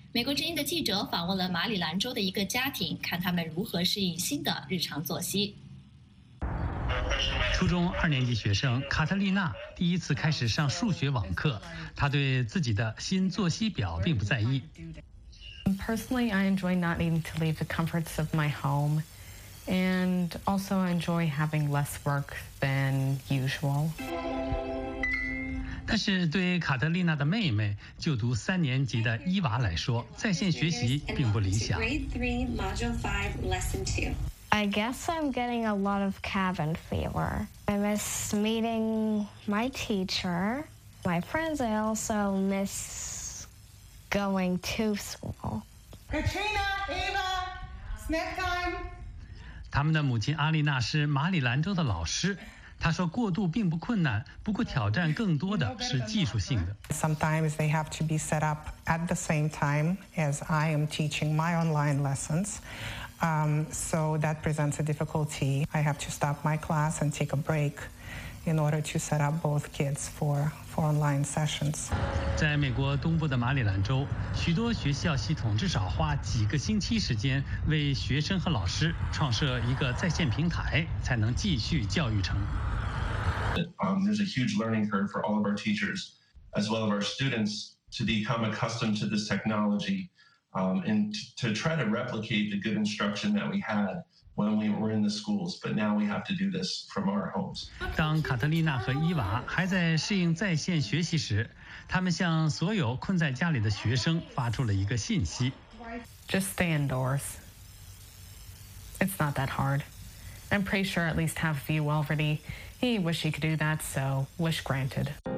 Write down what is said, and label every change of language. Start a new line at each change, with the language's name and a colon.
Chinese: 美国之音的记者访问了马里兰州的一个家庭，看他们如何适应新的日常作息。初中2年级学生卡特丽娜第一次开始上数学网课，她对自己的新作息表并不在意。
English: Personally, I enjoy not needing to leave the comforts of my home. And also enjoy having less work than usual.
Chinese: 但是对卡特丽娜的妹妹，就读3年级的伊娃来说，在线学习并不理想。
English: I guess I'm getting a lot of cabin fever. I miss meeting my teacher, my friends. I also miss going to school. Katrina, Eva, snack time.
Chinese: 他们的母亲阿丽娜是马里兰州的老师，她说过渡并不困难，不过挑战更多的是技术性的。
English: Sometimes they have to be set up at the same time as I am teaching my online lessons, so that presents a difficulty. I have to stop my class and take a break in order to set up both kids for online sessions.
Chinese: 在美国东部的马里兰州，许多学校系统至少花几个星期时间为学生和老师创设一个在线平台，才能继续教育成。
English: There's a huge learning curve for all of our teachers, as well as our students, to become accustomed to this technology, and to try to replicate the good instruction that we had. When we were in the schools, but now we have to do this from our homes.
Chinese: 当卡特丽娜和伊娃还在适应在线学习时，他们向所有困在家里的学生发出了一个信息
English: ：Just stay indoors. It's not that hard. I'm pretty sure at least half of you already. He wish he could do that, so wish granted.